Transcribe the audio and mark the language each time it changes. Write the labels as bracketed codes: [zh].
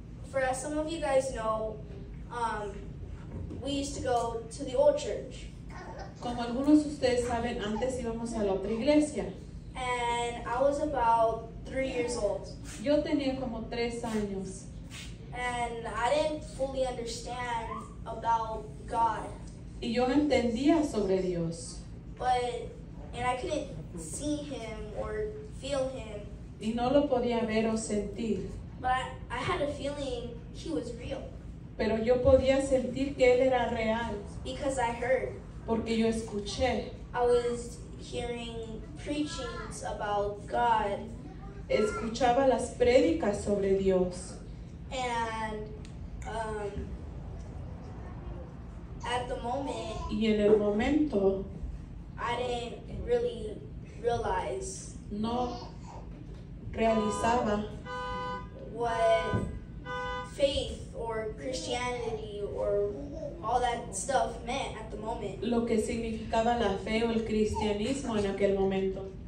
[en] For some of you guys know, we used to go to the old church. [es] Como algunos de ustedes saben, antes íbamos a la otra iglesia. [en] And I was about 3 years old. [es] Yo tenía como 3 años. [en] And I didn't fully understand about God. [es] Y yo no entendía sobre Dios. [en] And I couldn't see him or feel him. [es] Y no lo podía ver o sentir. [en] But I had a feeling he was real. [es] Pero yo podía sentir que él era real. [en] Because I heard. [es] Porque yo escuché. [en] I was hearing preachings about God. [es] Escuchaba las prédicas sobre Dios. [en] And at the moment, [es] y en el momento, [en] I didn't really realize [es] no realizaba [en] what faith or Christianity or all that stuff meant at the moment. [es] Lo que significaba la fe o el cristianismo en aquel momento.